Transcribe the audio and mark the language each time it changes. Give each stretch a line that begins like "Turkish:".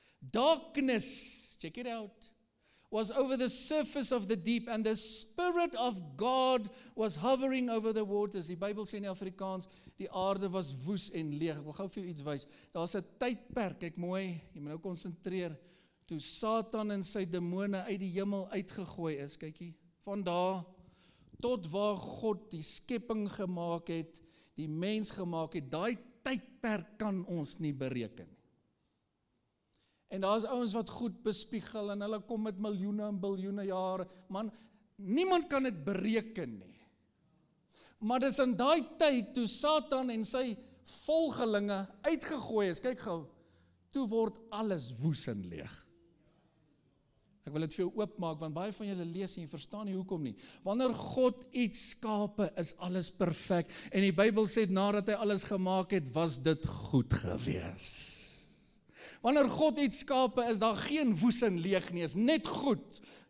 English: Darkness, check it out, was over the surface of the deep, and the Spirit of God was hovering over the waters.
Afrikaans: Die Bybel sê in Afrikaans, die aarde was woes en leeg. Ek wil gauw vir jou iets wys. Daar is 'n tydperk, kyk mooi, jy moet nou konsentreer, toe Satan en sy demone uit die hemel uitgegooi is, kyk hier, van daar tot waar God die skepping gemaak het, die mens gemaak het, daai tydperk kan ons nie bereken. En daar is ouens wat goed bespiegel, en hulle kom met miljoene en biljoene jare. Man, niemand kan dit bereken nie. Maar dis in daai tyd, toe Satan en sy volgelinge uitgegooi is, kyk gauw, toe word alles woes en leeg. Ek wil dit vir jou oopmaak, want baie van julle lees en jy verstaan nie hoekom nie. Wanneer God iets skape, is alles perfek. En die Bybel sê, nadat hy alles gemaak het, was dit goed gewees. Wanneer God iets skape, is daar geen woes en leeg nie, is net goed.